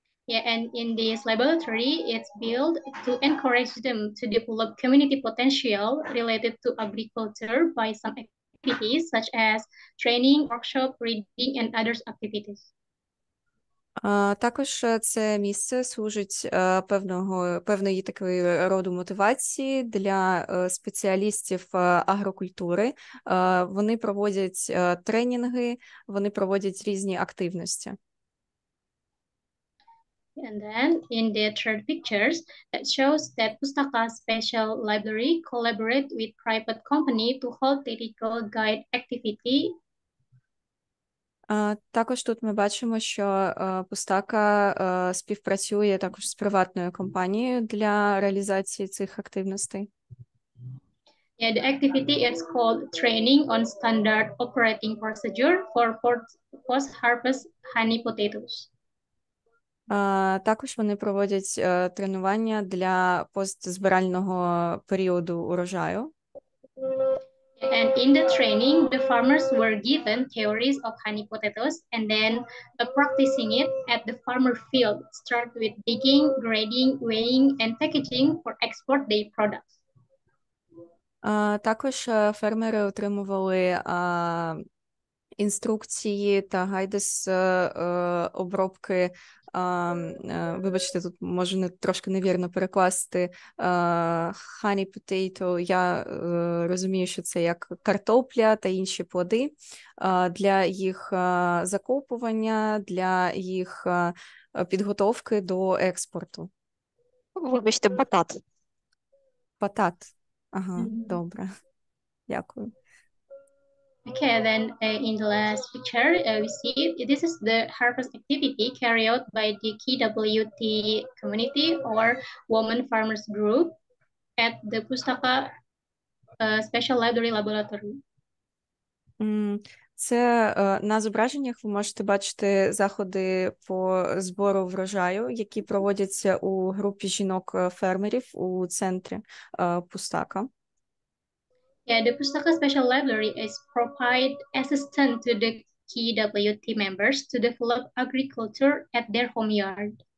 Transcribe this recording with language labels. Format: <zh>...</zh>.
<en>Yeah, and in this laboratory, it's built to encourage them to develop community potential related to agriculture by some activities such as training, workshop, reading, and other activities.</en> <uk>Також це місце служить певної такої роду мотивації для спеціалістів агрокультури. Вони проводять тренінги, вони проводять різні активності.</uk> <en>And then in the third pictures, that shows that PUSTAKA Special Library collaborate with private company to hold technical guide activity.</en> <uk>Також тут ми бачимо, що PUSTAKA співпрацює також з приватною компанією для реалізації цих активностей.</uk> <en>Yeah, the activity is called Training on Standard Operating Procedure for Post-Harvest Honey Potatoes.</en> <uk>Також вони проводять тренування для постзбирального періоду урожаю.</uk> <en>And in the training, the farmers were given theories of honey potatoes and then practicing it at the farmer field, start with digging, grading, weighing, and packaging for export their products.</en> <uk>Також фермери отримували інструкції та гайди з обробки. Вибачте, тут можу трошки невірно перекласти honey potato. Я розумію, що це як картопля та інші плоди для їх закупування, для їх підготовки до експорту. Вибачте, батат. Батат. Ага, добре. Дякую.</uk> <en>Okay, then in the last picture, we see this is the harvest activity carried out by the KWT community or Women Farmers Group at the PUSTAKA Special Library Laboratory.</en> <uk>Це на зображеннях ви можете бачити заходи по збору врожаю, які проводяться у групі жінок-фермерів у центрі PUSTAKA.</uk> <en>Yeah, the PUSTAKA Special Library is provide assistance to the KWT members to develop agriculture at their home yard.</en>